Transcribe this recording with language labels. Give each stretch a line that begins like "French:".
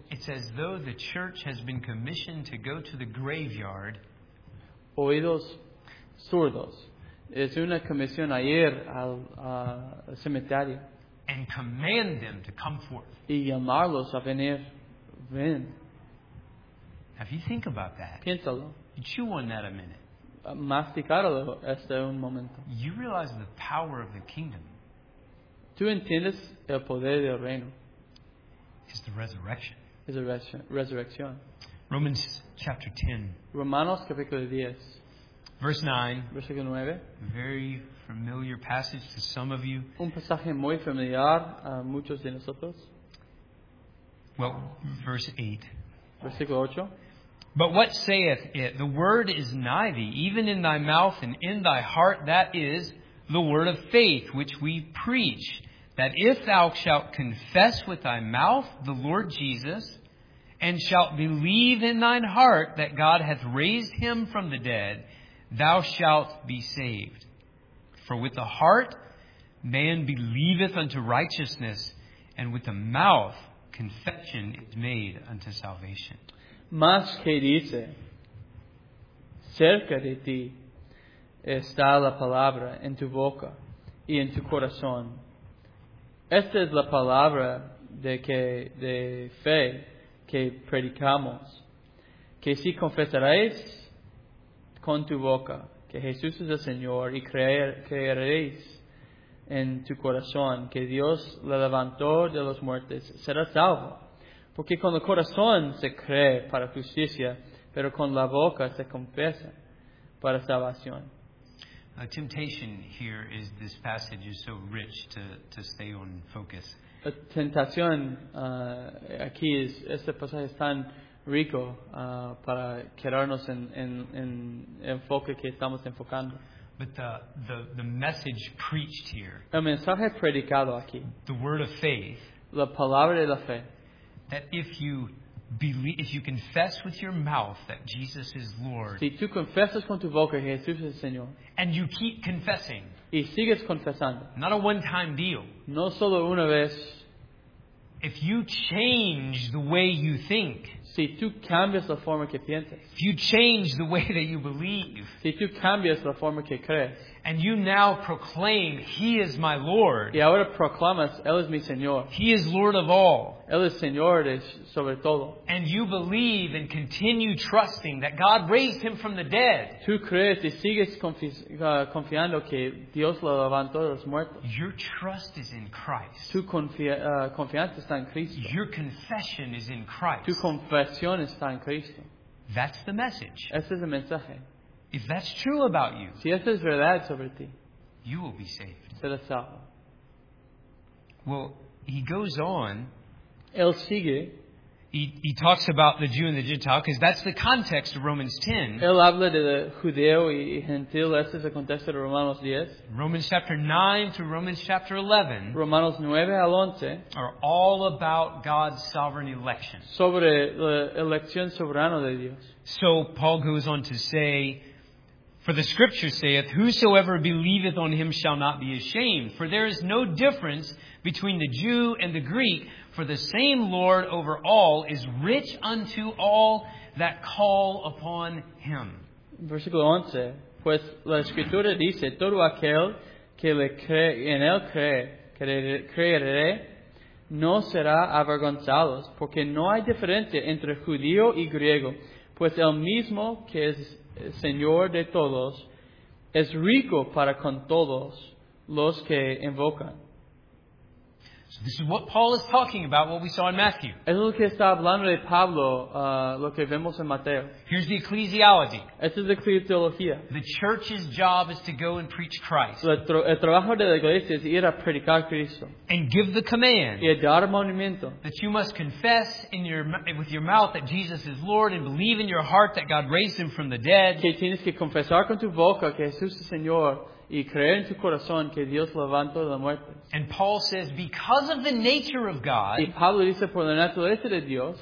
English: It's as though the church has been commissioned to go to the graveyard.
Spanish: Oídos sordos. Es una comisión a ir al cementerio.
English: And command them to come forth.
Spanish: Y llamarlos a venir. Ven.
English: Now, if you think about that,
Spanish: piénsalo.
English: You chew on that a minute.
Spanish: Masticarlo hasta un momento.
English: You realize the power of the kingdom.
Spanish: Tú entiendes el poder del reino.
English: Is the resurrection.
Spanish: Es la resurrección.
English: Romans chapter 10.
Spanish: Romanos capítulo 10.
English: Verse 9.
Spanish: Versículo 9.
English: Very familiar passage to some of you.
Spanish: Un pasaje muy familiar a muchos de nosotros.
English: Well, verse 8.
Spanish: Versículo 8.
English: But what saith it? The word is nigh thee, even in thy mouth and in thy heart, that is the word of faith which we preach, that if thou shalt confess with thy mouth the Lord Jesus, and shalt believe in thine heart that God hath raised him from the dead, thou shalt be saved. For with the heart man believeth unto righteousness, and with the mouth confession is made unto salvation.
Spanish: Más que dice, cerca de ti está la palabra en tu boca y en tu corazón. Esta es la palabra de fe que predicamos. Que si confesaréis con tu boca que Jesús es el Señor y creeréis en tu corazón que Dios le levantó de los muertos, serás salvo. Porque con el corazón se cree para justicia, pero con la boca se confiesa para salvación.
English: A temptation here is this passage is so rich to stay on focus.
Spanish: La tentación aquí es, este pasaje es tan rico para quedarnos en el enfoque que estamos enfocando.
English: But the message preached here.
Spanish: El mensaje predicado aquí.
English: The word of faith.
Spanish: La palabra de la fe.
English: That if you believe, if you confess with your mouth that Jesus is Lord,
Spanish: si tú confesas con tu boca Jesús es Señor,
English: and you keep confessing,
Spanish: y sigues confesando,
English: not a one-time deal,
Spanish: no solo una vez,
English: if you change the way you think,
Spanish: si tú cambias la forma que piensas,
English: if you change the way that you believe,
Spanish: si tú cambias la forma que crees,
English: and you now proclaim, He is my Lord.
Spanish: Y ahora proclamas, Él es mi Señor.
English: He is Lord of all.
Spanish: Él es Señor de sobre todo.
English: And you believe and continue trusting that God raised Him from the dead.
Spanish: Tú crees y sigues confiando que Dios lo levantó de los muertos.
English: Your trust is in Christ.
Spanish: Tu confianza está en Cristo.
English: Your confession is in Christ.
Spanish: Tu confesión está en Cristo.
English: That's the message.
Spanish: Ese es el mensaje.
English: If that's true about you,
Spanish: si eso es verdad sobre ti,
English: you will be saved.
Spanish: Serás salvo.
English: Well, he goes on.
Spanish: Él sigue.
English: He talks about the Jew and the Gentile because that's the context of Romans 10.
Spanish: Él habla de judeo y gentil. Ese es el contexto de Romanos 10.
English: Romans chapter 9 to Romans chapter 11.
Spanish: Romanos 9 al 11.
English: Are all about God's sovereign election.
Spanish: Sobre la elección soberana de Dios.
English: So Paul goes on to say, for the scripture saith, whosoever believeth on him shall not be ashamed. For there is no difference between the Jew and the Greek. For the same Lord over all is rich unto all that call upon him.
Spanish: Versículo 11. Pues la escritura dice, todo aquel que le cree, en él creeré, no será avergonzado. Porque no hay diferencia entre judío y griego. Pues el mismo que es Señor de todos, es rico para con todos los que invocan.
English: So this is what Paul is talking about, what we saw in Matthew.
Spanish: Eso es lo que está hablando de Pablo, lo que vemos en Mateo.
English: Here's the ecclesiology.
Spanish: Esta es la ecclesiología.
English: The church's job is to go and preach Christ.
Spanish: El trabajo de la iglesia es ir a predicar Cristo.
English: And give the command.
Spanish: Y dar el mandamiento.
English: That you must confess with your mouth that Jesus is Lord and believe in your heart that God raised him from the dead.
Spanish: Que tienes que confesar con tu boca que Jesús es Señor. Y creer en tu corazón que Dios levantó de la muerte.
English: And Paul says, because of the nature of God,
Spanish: y Pablo dice, por la naturaleza de Dios,